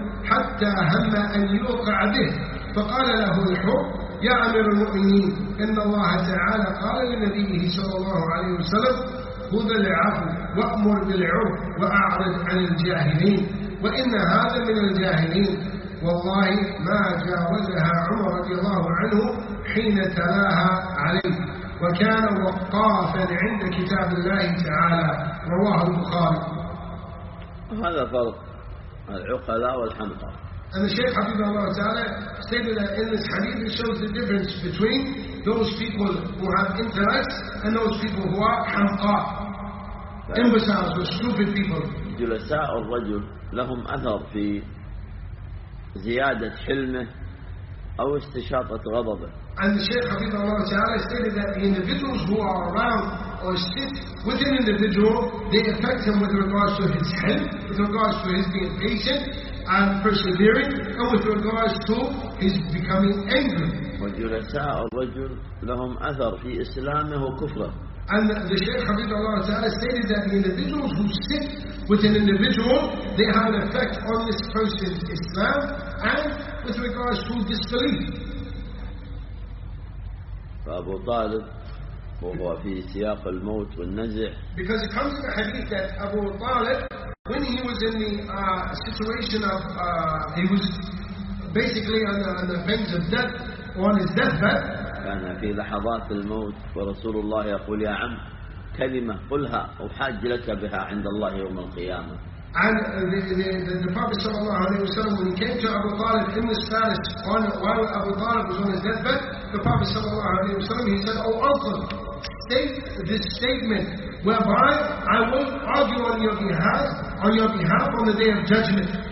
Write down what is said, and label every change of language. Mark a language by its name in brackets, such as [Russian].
[Arabic] حتى هم أن يوقع به فقال له الحر يا أمير المؤمنين إن الله تعالى قال لنبيه صلى الله عليه وسلم خذ العفو وأمر بالعرف وأعرض عن الجاهلين وإن هذا من الجاهلين والله ما جاوزها عمر رضي الله عنه حين تلاها عليه وكان وقافا عند كتاب الله تعالى رواه البخاري. هذا فرق العقلاء والحمقى. [English] And the Shaykh Hafidhullah Allah Ta'ala stated that in this hadith it shows the difference between those people who have intellect and those people who are hamqa, imbeciles or stupid people. [Arabic] جلساء الرجل لهم أثر في زيادة حلمه أو استشاطة غضبه. [English] And the Shaykh Hafidhullah Allah Ta'ala stated that the individuals who are around or sit with an individual, they affect him with regards to his hilm, with regards to his being patient and persevering, and with regards to his becoming angry. [Arabic] وجلساء الرجل لهم أثر في إسلامه وكفره. [English] And the Shaykh Hafidhullah Ta'ala stated that the individuals who sit with an individual, they have an effect on this person's Islam and with regards to disbelief. [Arabic] فأبو طالب وهو في سياق الموت والنزع. [English] Because it comes in the hadith that Abu Talib, when he was in the situation of he was basically on the pains of death or on his deathbed. [Arabic] كان في لحظات الموت ورسول الله يقول يا عم كلمة قلها وحاج لك بها عند الله يوم القيامة. [English] And the Prophet sallallahu alaihi wasallam, when he came to Abu Talib in the status while Abu Talib was on his deathbed, the Prophet sallallahu alaihi wasallam, he said, "Oh uncle, state this statement whereby I will argue on your behalf on the day of judgment."